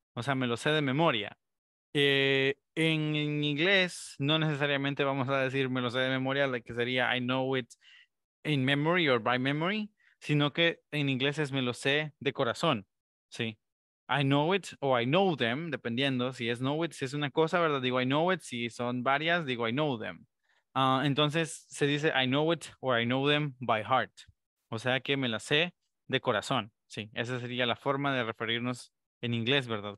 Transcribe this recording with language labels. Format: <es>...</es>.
<es>O sea, me lo sé de memoria. En inglés no necesariamente vamos a decir me lo sé de memoria, la que sería I know it in memory or by memory, sino que en inglés es me lo sé de corazón, ¿sí? I know it o I know them, dependiendo si es know it, si es una cosa, ¿verdad?</es> <en>Digo I know it, si son varias, digo I know them. Entonces se dice I know it or I know them by heart.</en> <es>O sea que me la sé de corazón, sí. Esa sería la forma de referirnos en inglés, ¿verdad?</es>